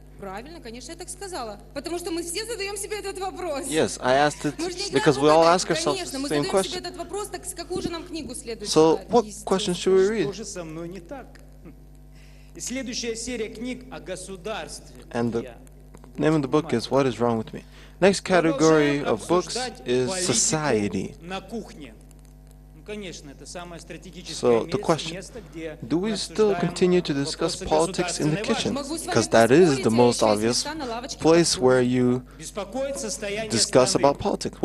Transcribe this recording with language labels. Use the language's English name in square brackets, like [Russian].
[Russian] Правильно, конечно, я так сказала. Потому что мы все задаем себе этот вопрос. [English] Yes, I asked it because we all ask ourselves the same question. [Russian] Конечно, мы задаем себе этот вопрос, так какую же нам книгу следующую? [English] So, what question should we read? [Russian] Что же со мной не так? Следующая серия книг о государстве. [English] And the name of the book is What Is Wrong With Me? Next category of books is Society. [Russian] На кухне. [English] So, the question, do we still continue to discuss politics in the kitchen? Because that is the most obvious place where you discuss about politics.